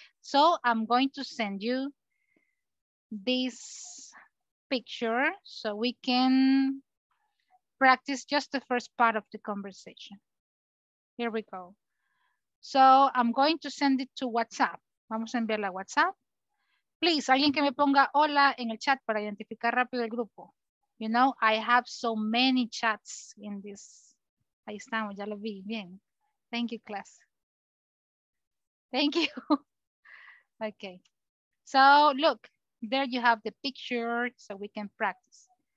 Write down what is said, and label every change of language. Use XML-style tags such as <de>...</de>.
<en>So I'm going to send you this picture so we can practice just the first part of the conversation. Here we go. So I'm going to send it to WhatsApp.</en> <es>Vamos a enviarla a WhatsApp. Please, alguien que me ponga hola en el chat para identificar rápido el grupo.</es> <en>You know, I have so many chats in this.</en> <es>Ahí estamos, ya lo vi, bien.</es> <en>Thank you, class. Thank you. Okay. So look, there you have the picture so we can practice.</en>